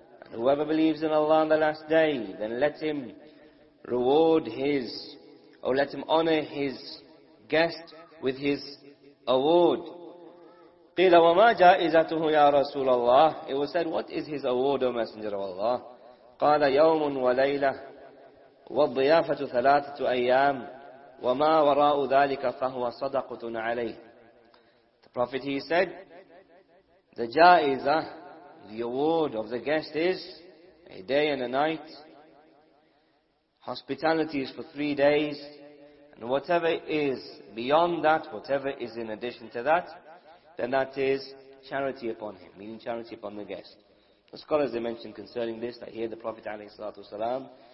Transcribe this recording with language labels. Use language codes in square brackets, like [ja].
[en] And whoever believes in Allah on the last day, then let him reward his, or let him honor his guest with his award. [ar] قِيلَ وَمَا جَائِزَتُهُ يَا رَسُولَ اللَّهِ. [en] It was said, what is his award, O Messenger of Allah? [ar] قَالَ يَوْمٌ وَلَيْلَةٌ والضيافة ثلاثة أيام وما وراء ذلك فهو صدقة عليه. [en] The Prophet, he said, the jaiza, the award of the guest, is a day and a night. Hospitality is for 3 days, and whatever is beyond that, whatever is in addition to that, then that is charity upon him, meaning charity upon the guest. The scholars, they mentioned concerning this, that here the Prophet ﷺ